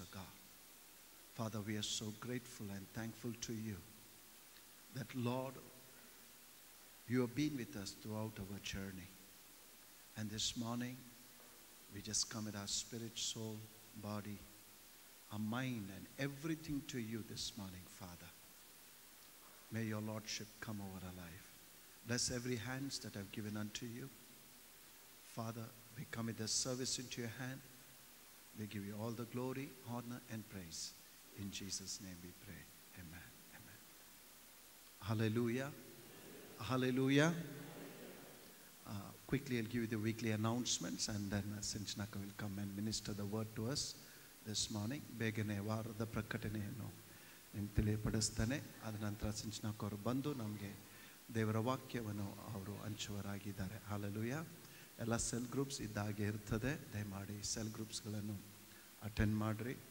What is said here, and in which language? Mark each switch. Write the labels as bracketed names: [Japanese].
[English] Ah God Father, we are so grateful and thankful to you that Lord you have been with us throughout our journey. And this morning we just come in our spirit, soul, body, our mind and everything to you this morning, Father. May your Lordship come over our life. Bless every hands that I've given unto you. Father, we commit this service into your hand. We give you all the glory, honor, and praise. In Jesus' name we pray. Amen. Amen. Hallelujah. Hallelujah. Quickly, I'll give you the weekly announcements, and then Sinchanaka will come and minister the word to us. This morning [Kannada] ಬೇಗನೆ ವಾರದ ಪ್ರಕಟಣೆಯನ್ನು ನಿಮ್ಗೆ ತಿಳಿಯಪಡಿಸ್ತಾನೆ. ಅದ ನಂತರ ಸಿಂಚನಕ್ಕೆ ಅವರು ಬಂದು ನಮಗೆ ದೇವರ ವಾಕ್ಯವನ್ನು ಅವರು ಹಂಚುವರಾಗಿದ್ದಾರೆ. ಹಾಲೆಲೂಯ. ಎಲ್ಲ ಸೆಲ್ ಗ್ರೂಪ್ಸ್ ಇದ್ದಾಗೆ ಇರ್ತದೆ. ದಯಮಾಡಿ ಸೆಲ್ ಗ್ರೂಪ್ಸ್ಗಳನ್ನು ಅಟೆಂಡ್ ಮಾಡಿರಿ.